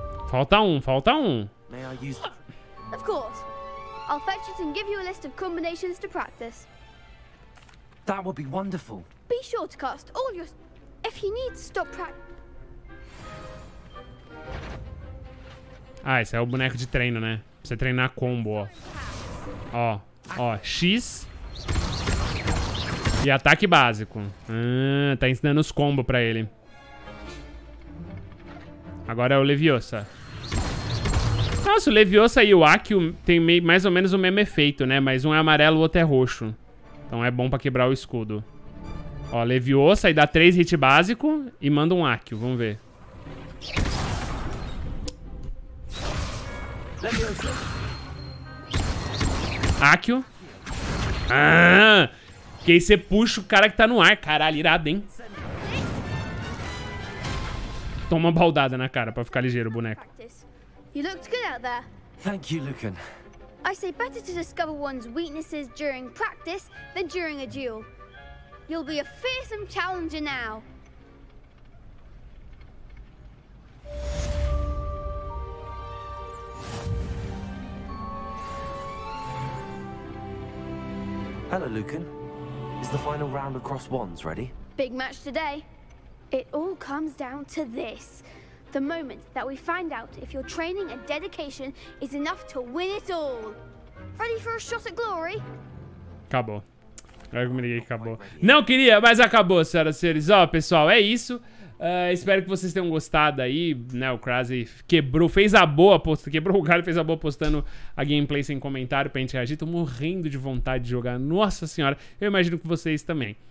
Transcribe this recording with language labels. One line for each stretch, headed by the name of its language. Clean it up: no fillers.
Portuguese: Falta um, falta um.
English: May I use? Of course. I'll fetch it and give you a list of combinations to practice. That would be wonderful. Be sure to cast all your... If you need, stop practicing.
Portuguese: Ah, esse é o boneco de treino, né? Pra você treinar combo, ó. Ó, ó, X. E ataque básico. Tá ensinando os combos pra ele. Agora é o Leviosa. Nossa, o Leviosa e o Akio tem mais ou menos o mesmo efeito, né? Mas um é amarelo, o outro é roxo. Então é bom pra quebrar o escudo. Ó, Leviosa e dá 3 hit básico e manda um Akio. Vamos ver. Akio. Ah! Que aí você puxa o cara que tá no ar. Caralho, irado, hein? Toma uma baldada na cara pra ficar ligeiro, boneco.
English: You looked good out there. Thank you, Lucan. I say better to discover one's weaknesses during practice than during a duel. You'll be a fearsome challenger now. Hello, Lucan. Is the final round of cross wands ready? Big match today. It all comes down to this. The moment that we find out if your training and dedication is enough to win it all. Ready for a shot at glory?
Portuguese: Acabou. Eu me liguei, acabou. Não queria, mas acabou, senhoras e senhores. Ó, pessoal, é isso. Espero que vocês tenham gostado aí, né? O Crazy quebrou, fez a boa posta, quebrou o galho, fez a boa postando a gameplay sem comentário pra gente reagir. Tô morrendo de vontade de jogar. Nossa senhora, eu imagino que vocês também.